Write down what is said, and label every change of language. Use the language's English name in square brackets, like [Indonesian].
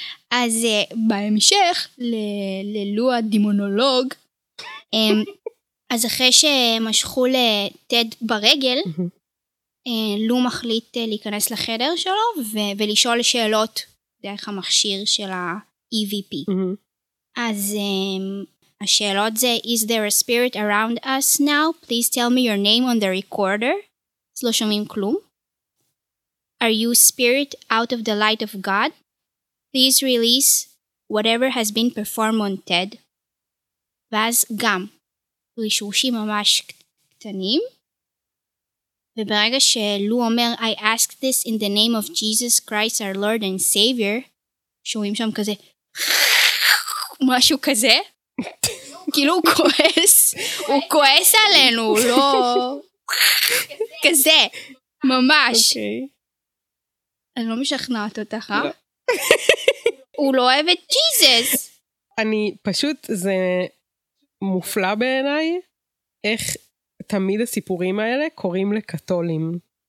[Hebrew] אז בהמשך ללו הדימונולוג, אז אחרי שמשכו לטד ברגל, לו מחליט להיכנס לחדר שלו ולשאול שאלות דרך המכשיר של ה-EVP. אז השאלות זה, [English] Is there a spirit around us now? Please tell me your name on the recorder. [Hebrew] לא שומעים כלום. [English] Are you spirit out of the light of God? Please release whatever has been performed on Ted. [Hebrew] ואז גם, רישושים ממש קטנים. וברגע שלו אומר, [English] I ask this in the name of Jesus Christ, our Lord and Savior, [Hebrew] שומעים שם כזה, משהו כזה. כאילו הוא כועס, הוא כועס עלינו, לא... כזה, ממש. אני לא משכנעת אותך, אה? הוא לא אוהב את ג'יזוס. אני פשוט, זה מופלא בעיניי, איך תמיד הסיפורים האלה קוראים לקתולים.